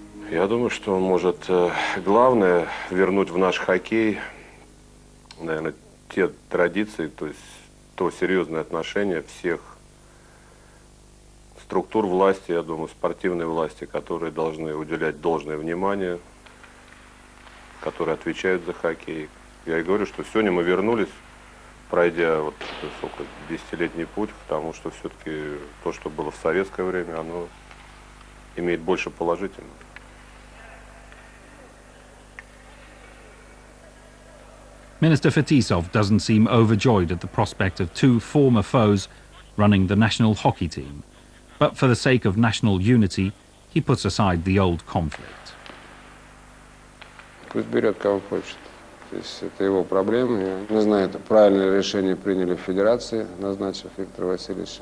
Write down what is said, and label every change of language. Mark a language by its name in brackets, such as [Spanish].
[Russian] Я думаю, что он может главное вернуть в наш хоккей, наверное, те традиции, то есть то серьезное отношение всех структур власти, я думаю, спортивной власти, которые должны уделять должное внимание, которые отвечают за хоккей. Я и говорю, что сегодня мы вернулись, пройдя вот сколько, 10-летний путь, потому что все-таки то, что было в советское время, оно имеет больше положительного. [English] Minister Fetisov doesn't seem overjoyed at the prospect of two former foes running the national hockey team. But for the sake of national unity, he puts aside the old conflict. [Russian] Пусть берет кого хочет. То есть это его проблема. Я не знаю, это правильное решение приняли в федерации, назначив Виктора Васильевича.